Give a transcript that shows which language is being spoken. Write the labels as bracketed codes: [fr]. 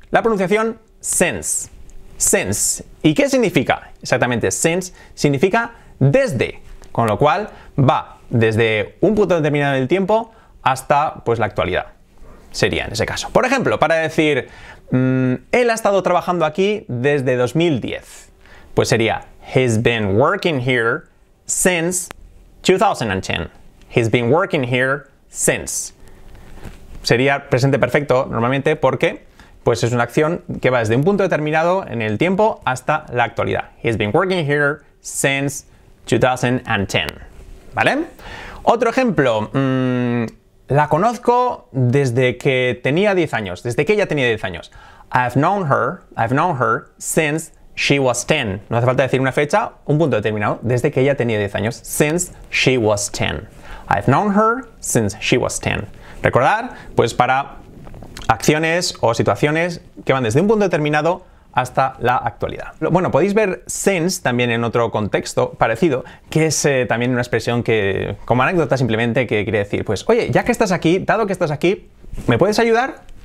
[es] La pronunciación since. Since. ¿Y qué significa exactamente since? Significa desde, con lo cual va desde un punto determinado del tiempo hasta, pues, la actualidad. Sería en ese caso. Por ejemplo, para decir, él ha estado trabajando aquí desde 2010. Pues sería, [en] he's been working here since 2010. He's been working here since. [es] Sería presente perfecto normalmente porque, pues, es una acción que va desde un punto determinado en el tiempo hasta la actualidad. [en] He's been working here since 2010. [es] ¿Vale? Otro ejemplo. La conozco desde que tenía 10 años, desde que ella tenía 10 años. [en] I've known her since she was 10. [es] No hace falta decir una fecha, un punto determinado, desde que ella tenía 10 años, [en] since she was 10. I've known her since she was 10. [es] Recordar, pues, para acciones o situaciones que van desde un punto determinado hasta la actualidad. Bueno, podéis ver since también en otro contexto parecido, que es también una expresión que, como anécdota simplemente, que quiere decir, pues, oye, ya que estás aquí, dado que estás aquí, ¿me puedes ayudar?